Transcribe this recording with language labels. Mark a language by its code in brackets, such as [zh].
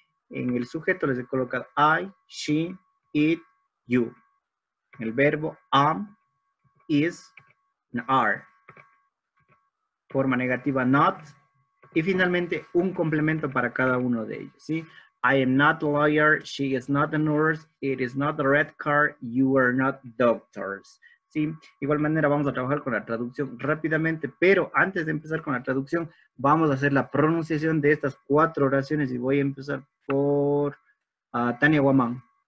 [es] En el sujeto les he colocado [en] I, she, it, you. [es] En el verbo [en] am, is, and are. [es] Forma negativa not. Y finalmente un complemento para cada uno de ellos, ¿sí? [en] I am not a lawyer, she is not a nurse, it is not a red car, you are not doctors. [es] Sí, igual manera vamos a trabajar con la traducción rápidamente, pero antes de empezar con la traducción, vamos a hacer la pronunciación de estas 4 oraciones y voy a empezar por Tania Guamán.